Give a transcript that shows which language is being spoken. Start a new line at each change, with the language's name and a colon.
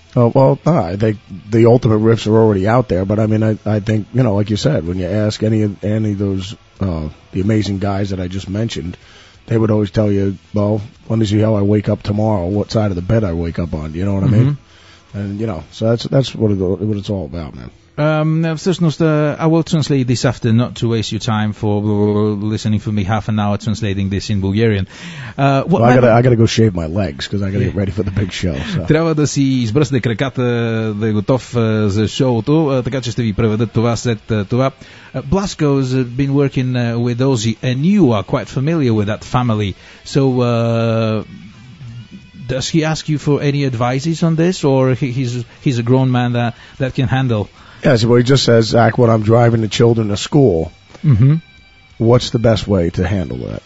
English: I think the ultimate riffs are already out there, but I mean, I think, you know, like you said, when you ask any of those, the amazing guys that I just mentioned, they would always tell you, well, when is how I wake up tomorrow, what side of the bed I wake up on, you know what I mean? And, you know, so that's what it's all about, man. I will translate this after, not to waste your time for listening for me half an hour translating this in Bulgarian. I gotta go shave my legs because I gotta get ready for the big show.
Bulgarian: Трябва да си избръсне краката, да е готов за шоуто, така че ще ви преведа това след това.
English: Blasco's been working with Ozzy, and you are quite familiar with that family. So, does he ask you for any advices on this, or he's a grown man that can handle? Yeah, so he just says, Zach, when I'm driving the children to school, what's the best way to handle that?